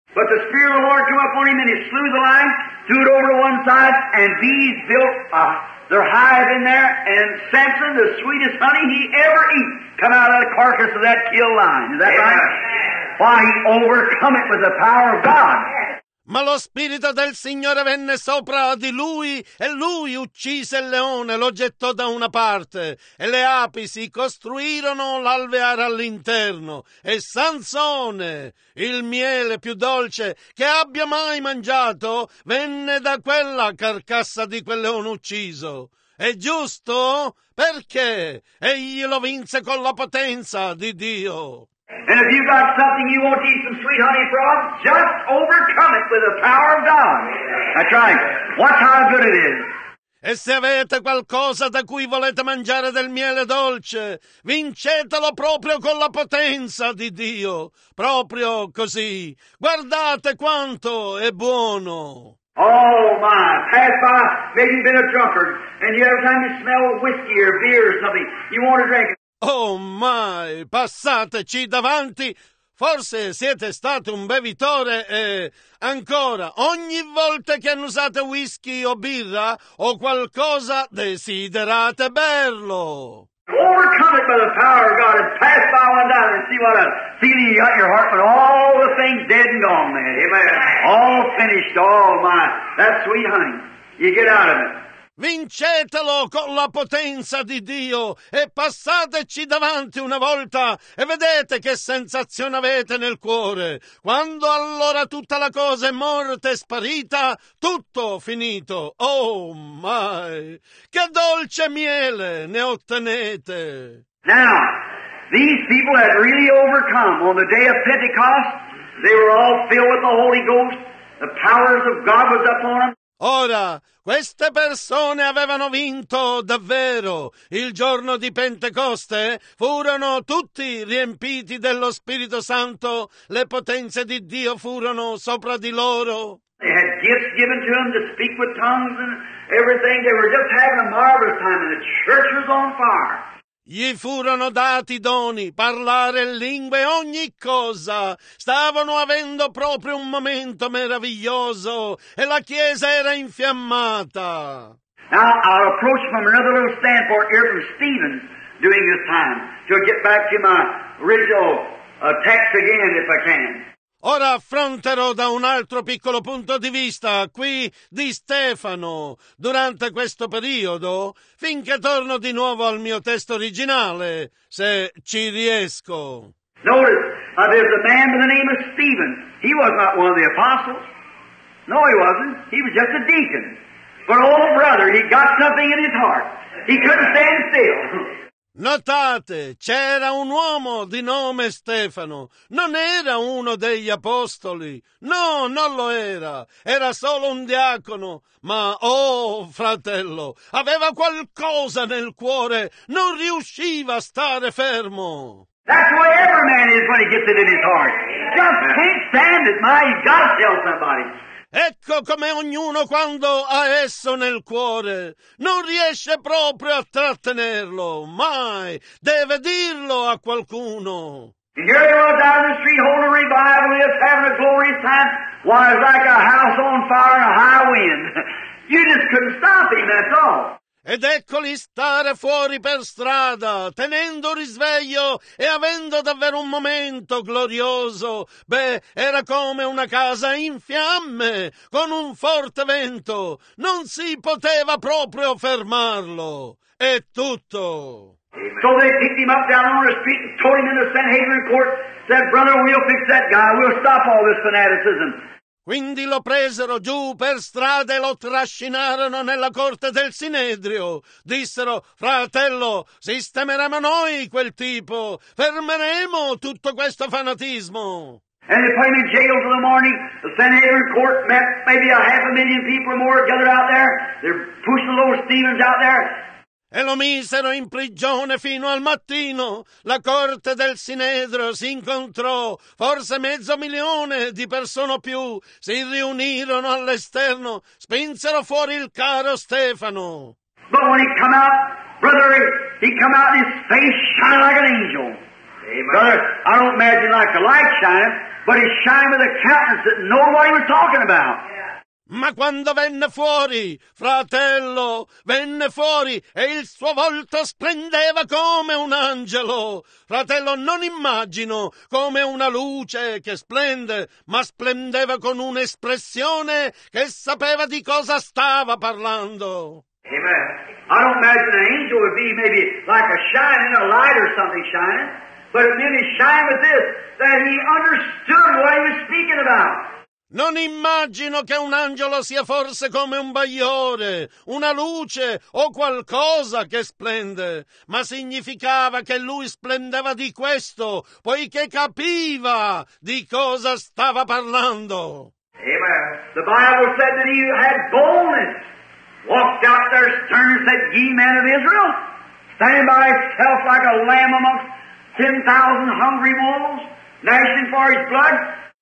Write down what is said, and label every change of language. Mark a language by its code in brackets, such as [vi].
[en] But the Spirit of the Lord came upon him and he slew the lion, threw it over to one side, and bees built their hive in there, and Samson, the sweetest honey he ever eat, come out of the carcass of that killed lion. Is that right? Why, he overcome it with the power of God. [it] Ma lo Spirito del Signore venne sopra di lui e lui uccise il leone, lo gettò da una parte e le api si costruirono l'alveare all'interno. E Sansone, il miele più dolce che abbia mai mangiato, venne da quella carcassa di quel leone ucciso. È giusto? Perché egli lo vinse con la potenza di Dio. [en] And if you've got something you want to eat some sweet honey from, just overcome it with the power of God. That's right. Watch how good it is. [it] E se avete qualcosa da cui volete mangiare del miele dolce, vincetelo proprio con la potenza di Dio. Proprio così. Guardate quanto è buono. [en] Oh my, pass by, maybe you've been a drunkard, and you every time you smell whiskey or beer or something, you want to drink it. [it] Oh my, passateci davanti, forse siete stati un bevitore e ancora, ogni volta che annusate whisky o birra o qualcosa, desiderate berlo. [en] Overcome it by the power of God and pass by one down and see what else. See the heart in your heart with all the things dead and gone, man. Amen. All finished, all my. That's sweet honey. You get out of it. [it] Vincetelo con la potenza di Dio e passateci davanti una volta e vedete che sensazione avete nel cuore. Quando allora tutta la cosa è morta e sparita, tutto finito. Oh my! Che dolce miele ne ottenete! [en] Now, these people had really overcome. On the day of Pentecost, they were all filled with the Holy Ghost. The powers of God was upon them. [it] Ora, queste persone avevano vinto davvero. Il giorno di Pentecoste furono tutti riempiti dello Spirito Santo. Le potenze di Dio furono sopra di loro. [en] They had gifts given to them to speak with tongues and everything. They were just having a marvelous time and the church was on fire. [it] Gli furono dati doni, parlare lingue, ogni cosa. Stavano avendo proprio un momento meraviglioso e la chiesa era infiammata. [en] Now I'll approach from another little standpoint here from Stephen during this time to get back to my original text again if I can. [it] Ora affronterò da un altro piccolo punto di vista qui di Stefano durante questo periodo finché torno di nuovo al mio testo originale, se ci riesco. [en] Notice, there's a man by the name of Stephen. He was not one of the apostles. No, he wasn't. He was just a deacon. But old brother, he got something in his heart. He couldn't stand still. [it] Notate, c'era un uomo di nome Stefano. Non era uno degli apostoli. No, non lo era. Era solo un diacono. Ma, oh, fratello, aveva qualcosa nel cuore. Non riusciva a stare fermo. [en] That's the way every man is when he gets it in his heart. Just can't stand it, my. He's got to tell somebody. [it] Ecco come ognuno quando ha esso nel cuore non riesce proprio a trattenerlo, mai deve dirlo a qualcuno. [en] And here he was down the street holding a revival, just having a glorious time. Why, it's like a house on fire and a high wind. You just couldn't stop him, that's all. [it] Ed eccoli stare fuori per strada, tenendo risveglio e avendo davvero un momento glorioso. Beh, era come una casa in fiamme, con un forte vento. Non si poteva proprio fermarlo. È tutto. [en] So they picked him up down on the street and tore him in the Sanhedrin court. Said, brother, we'll fix that guy. We'll stop all this fanaticism. [it] Quindi lo presero giù per strada e lo trascinarono nella corte del Sinedrio. Dissero, fratello, sistemeremo noi quel tipo, fermeremo tutto questo fanatismo. [en] And they put him in jail for the morning. The Sanhedrin court met maybe a half a million people or more gathered out there. They're pushing the little Stevens out there. [it] E lo misero in prigione fino al mattino. La corte del Sinedrio si incontrò, forse mezzo milione di persone o più si riunirono all'esterno, spinsero fuori il caro Stefano. [en] But when he come out, brother, he come out and his face shining like an angel. Brother, I don't imagine like the light shining, but he shined with a countenance that nobody was talking about. [it] Ma quando venne fuori, fratello, venne fuori e il suo volto splendeva come un angelo. Fratello, non immagino come una luce che splende, ma splendeva con un'espressione che sapeva di cosa stava parlando. [en] Amen. I don't imagine an angel would be maybe like a shining, a light or something shining, but it meant he shined with this, that he understood what he was speaking about. [it] Non immagino che un angelo sia forse come un bagliore, una luce o qualcosa che splende, ma significava che lui splendeva di questo, poiché capiva di cosa stava parlando. [en] Amen. The Bible said that he had boldness. walked out their stern and said, ye men of Israel, stand by itself like a lamb amongst 10,000 hungry wolves, gnashing for his blood.